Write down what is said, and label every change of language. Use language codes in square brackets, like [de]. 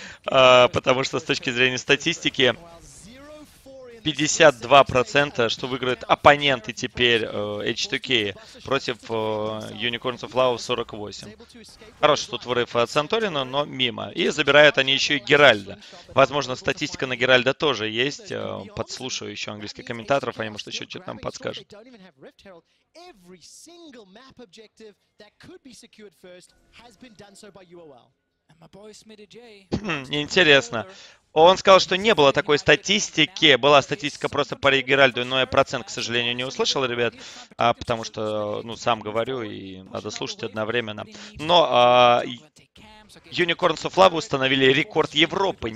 [ru] Потому что с точки зрения статистики, 52%, что выиграют оппоненты теперь H2K против Unicorns of Love 48%. Хороший тут врыв от Санторина, но мимо. И забирают они еще и Геральда. Возможно, статистика на Геральда тоже есть. Подслушаю еще английских комментаторов, они, может, еще что-то нам подскажут. [en] Every single map objective that could be secured first has been done so by UOL. And my boy Smitty J. [ru] Интересно. Он сказал, что не было такой статистики. Была статистика просто по Геральду, но я процент, к сожалению, не услышал, ребят. Потому что, ну, сам говорю, и надо слушать одновременно. Но Unicorns of Love установили рекорд Европы.